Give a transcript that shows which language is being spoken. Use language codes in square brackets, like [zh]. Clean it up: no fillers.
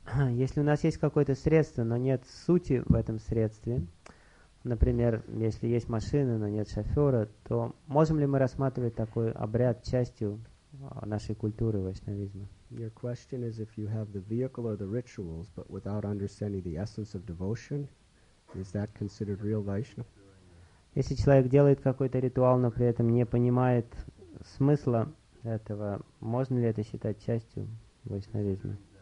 [ru] Если у нас есть какое-то средство, но нет сути в этом средстве, например, если есть машина, но нет шофера, то можем ли мы рассматривать такой обряд частью нашей культуры вайшнавизма? [en] Your question is if you have the vehicle or the rituals, but without understanding the essence of devotion, is that considered real Vaishnava? [ru] Если человек делает какой-то ритуал, но при этом не понимает смысла этого, можно ли это считать частью вайшнавизма?